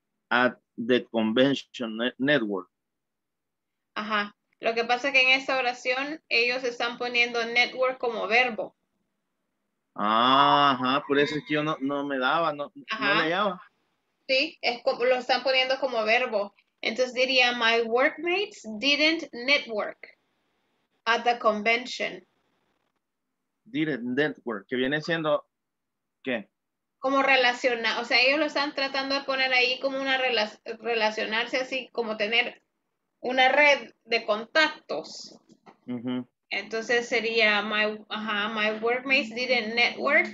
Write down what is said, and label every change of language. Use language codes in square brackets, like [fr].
[en] At the convention network. Ajá. [es] Lo que pasa es que en esta oración ellos están poniendo network como verbo. Ajá, por eso es que yo no me daba. Sí, es como, lo están poniendo como verbo. Entonces diría, [en] my workmates didn't network at the convention. Didn't network, [es] que viene siendo, ¿qué? Como relacionar, o sea, ellos lo están tratando de poner ahí como una relacionarse así, como tener... una red de contactos. Uh-huh. Entonces sería [en] my workmates didn't network.